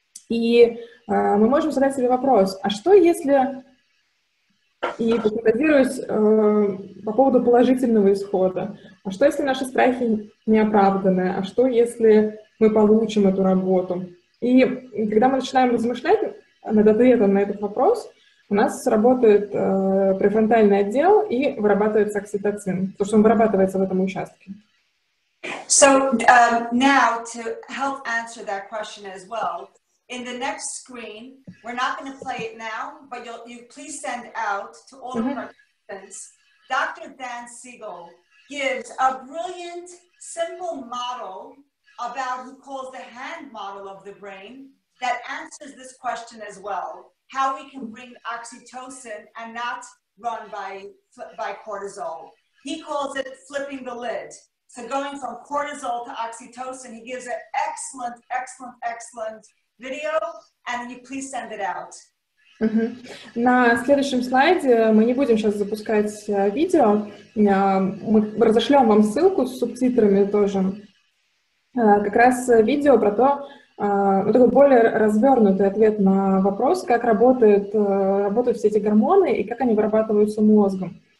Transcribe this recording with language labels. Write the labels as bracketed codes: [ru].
[ru] И мы можем задать себе вопрос, а что если, и пофантазировать по поводу положительного исхода, а что если наши страхи не оправданы, а что если мы получим эту работу? И когда мы начинаем размышлять над ответом на этот вопрос, у нас работает префронтальный отдел и вырабатывается окситоцин, потому что он вырабатывается в этом участке. [en] So now to help answer that question as well, in the next screen, we're not going to play it now, but you please send out to all the participants, Dr. Dan Siegel gives a brilliant, simple model about, he calls the hand model of the brain, that answers this question as well, how we can bring oxytocin and not run by cortisol. He calls it flipping the lid. So going from cortisol to oxytocin, he gives an excellent, excellent, excellent video, and you please send it out. [ru] На следующем слайде мы не будем сейчас запускать видео, мы разошлем вам ссылку с субтитрами тоже. Как раз видео про то, ну, такой более развернутый ответ на вопрос, как работают все эти гормоны и как они вырабатываются мозгом.